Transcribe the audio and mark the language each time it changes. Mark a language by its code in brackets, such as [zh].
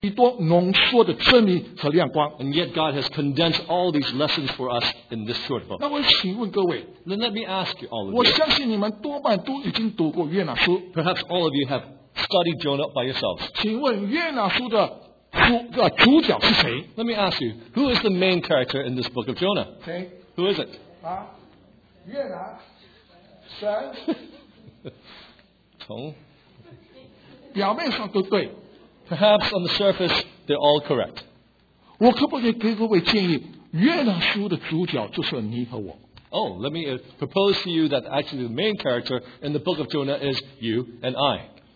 [en] And yet God has condensed all these lessons for us in this short book. [zh] 那我请问各位, [en] then let me ask you all of you. Perhaps all of you have studied Jonah by yourselves. [zh] 请问约拿书的主角是谁? [en] Let me ask you, who is the main character in this book of Jonah? [zh] 谁? [en] Who is it? [zh] 约拿神从表面上都对 [en] Perhaps on the surface, they're all correct. Oh, let me propose to you that actually the main character in the book of Jonah is you and I.